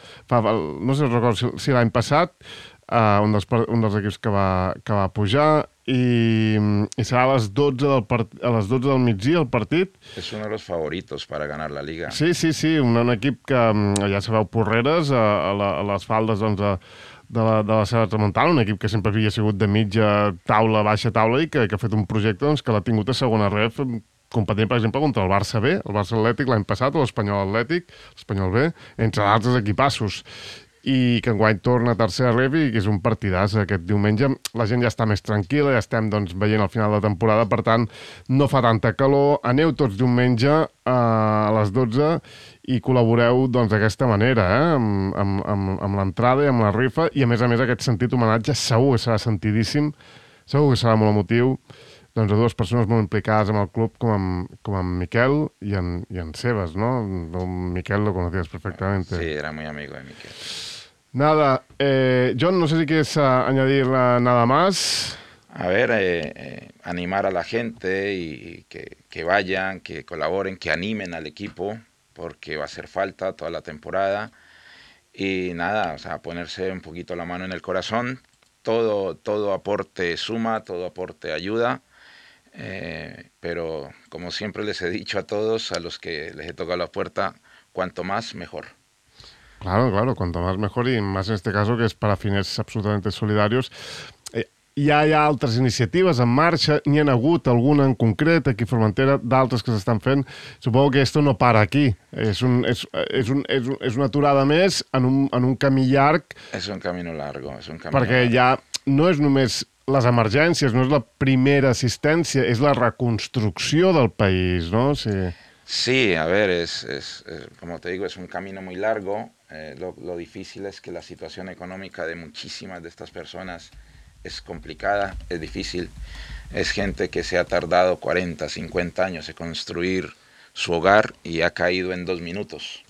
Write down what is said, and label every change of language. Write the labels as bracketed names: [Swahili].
[Catalan] no sé si recordo si l'any passat, un dels equips que va pujar... [Spanish] Y será a las 12 del a las 12 del [Catalan] migdia el partit. És un dels favorits per a ganar la liga. Sí, sí, sí, un equip que ja sabeu Porreres a les faldes doncs de la Serra Tramuntana, un equip que sempre havia sigut de mitja taula, baixa taula i que ha fet un projecte doncs que l'ha tingut a segona ref, competint per exemple contra el Barça B, el Barça Atlètic l'any passat o l'Espanyol Atlètic, l'Espanyol B, entre altres equipassos. I que enguany torna a tercera ref i que és un partidàs aquest diumenge. La gent ja està més tranquil·la, ja estem doncs, veient el final de temporada, per tant, no fa tanta calor. Aneu tots diumenge a les 12 i col·laboreu doncs, d'aquesta manera, amb l'entrada i amb la rifa. I a més, aquest sentit homenatge segur que serà sentidíssim, segur que serà molt emotiu. Doncs a dues persones molt implicades amb el club, com en Miquel i en Sebas, no? [Spanish] En Miquel lo conocías perfectamente. Sí, era muy amigo de Miquel. Nada, John, no sé si quieres añadir nada más. A ver, animar a la gente y que vayan, que colaboren, que animen al equipo, porque va a hacer falta toda la temporada. Y nada, o sea, ponerse un poquito la mano en el corazón. Todo aporte suma, todo aporte ayuda. Pero como siempre les he dicho a todos, a los que les he tocado la puerta, cuanto más mejor. Claro, cuanto más mejor y más en este caso que es para fines absolutamente solidarios. [Catalan] Ja hi ha altres iniciatives en marxa, n'hi ha hagut alguna en concret aquí a Formentera, d'altres que s'estan fent. Suposo que esto no para aquí. És una aturada més en un camí llarg. És un camí llarg. Perquè ja no és només les emergències, no és la primera assistència, és la reconstrucció del país, no? [Spanish] Sí, sí, a ver, es como te digo, es un camino muy largo. Lo difícil es que la situación económica de muchísimas de estas personas es complicada, es difícil. Es gente que se ha tardado 40, 50 años en construir su hogar y ha caído en 2 minutos.